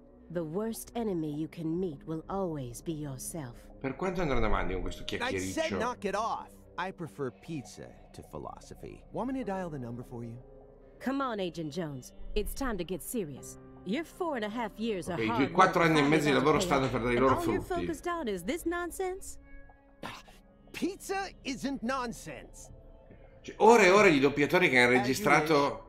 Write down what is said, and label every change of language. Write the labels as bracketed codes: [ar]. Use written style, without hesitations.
[en] The worst enemy you can meet will always be yourself. [it] Per quanto andranno avanti con questo chiacchiericcio? [en] I prefer pizza to philosophy. Want me to dial the number for you? Come on, Agent Jones. It's time to get serious. Your 4.5 years are hard. [it] I quattro anni e mezzo di lavoro stanno per dare i loro frutti. [en] All you're focused on is this nonsense? Pizza isn't nonsense. [it] Cioè, ore e ore di doppiatori che hanno registrato.